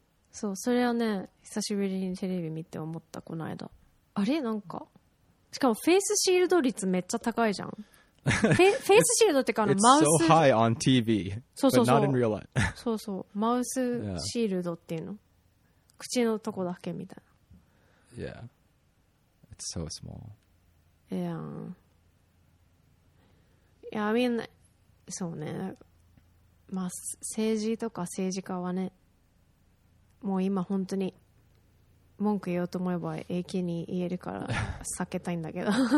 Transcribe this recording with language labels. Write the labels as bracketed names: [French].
[Japanese] そう、それはね、久しぶりにテレビ見て思ったこの間。あれなんか、しかもフェイスシールド率めっちゃ高いじゃん。フェイスシールドってかあのマウス。 [English] It's so high on TV, but not in real life. [Japanese] そうそう、マウスシールドっていうの。口のとこだけみたいな。 [English] Yeah. It's so small. Yeah, I mean, [Japanese] そうね。まあ、政治とか政治家はね、もう今本当に文句言おうと思えば永久に言えるから避けたいんだけど。